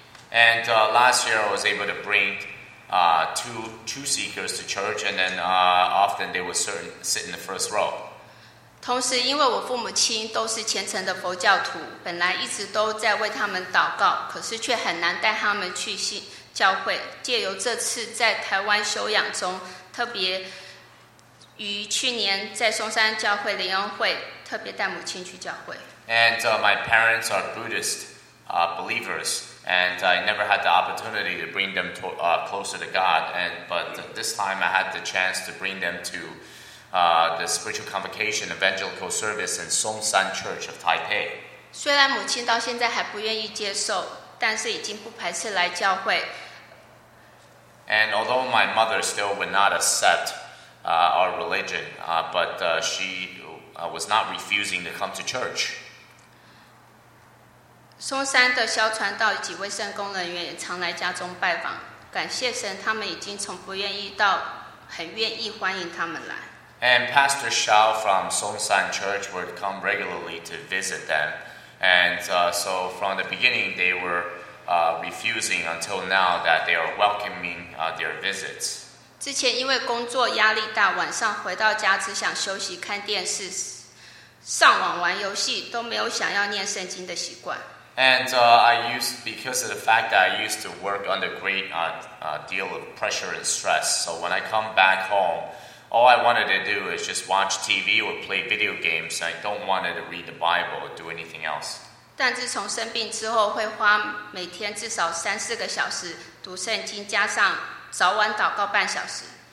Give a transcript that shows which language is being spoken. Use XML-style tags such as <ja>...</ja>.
<en>And last year I was able to bring two seekers to church, and then often they would sit in the first row.</en> <zh>同时，因为我父母亲都是虔诚的佛教徒，本来一直都在为他们祷告，可是却很难带他们去信教会。借由这次在台湾休养中，特别于去年在松山教会联恩会，特别带母亲去教会。</zh> <en>And my parents are Buddhist believers, and I never had the opportunity to bring them to, closer to God. But this time I had the chance to bring them to the spiritual convocation evangelical service in Songshan Church of Taipei.</en> <zh>虽然母亲到现在还不愿意接受，但是已经不排斥来教会。</zh> <en>And although my mother still would not accept our religion, but she was not refusing to come to church.</en> <zh>松山的萧传道几位圣工人员也常来家中拜访，感谢神，他们已经从不愿意到很愿意欢迎他们来。</zh> <en>And Pastor Xiao from Songshan Church would come regularly to visit them. And so from the beginning, they were refusing until now that they are welcoming their visits.</en> <zh>之前因为工作压力大，晚上回到家只想休息看电视、上网玩游戏，都没有想要念圣经的习惯。</zh> <en>And because of the fact that I used to work under a great deal of pressure and stress, so when I come back home, All I wanted to do is just watch TV or play video games. I don't want to read the Bible or do anything else.</en> <zh>但自从生病之后，会花每天至少三四个小时读圣经，加上早晚祷告半小时。</zh>